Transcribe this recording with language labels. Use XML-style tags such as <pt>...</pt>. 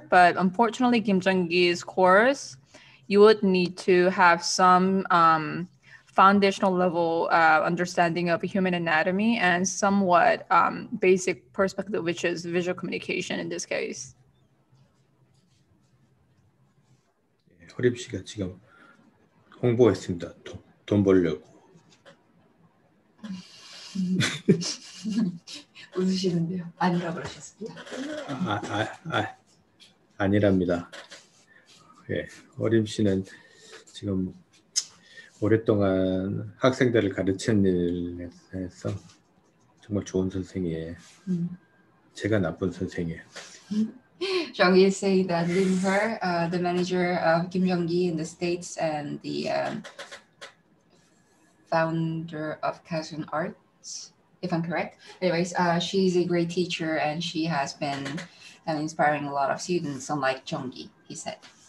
<en>But unfortunately, Kim Jung-gi's course, you would need to have some foundational level understanding of human anatomy and somewhat basic perspective, which is visual communication in this case.</en> <ko>허립 씨가 지금 홍보했습니다. 돈 벌려고. 웃으시는데요. 아니라고 하셨습니다. 아니랍니다. 예, 어림 씨는 지금 오랫동안 학생들을 가르치는 일에서 정말 좋은 선생이에요. 제가 나쁜 선생이에요.</ko> <en>Jung-gi is saying that Lim Her, the manager of Kim Jung-gi in the States and the founder of Kazun Arts, if I'm correct. Anyways, she's a great teacher and she has been inspiring a lot of students, unlike Jung-gi, he said.</en>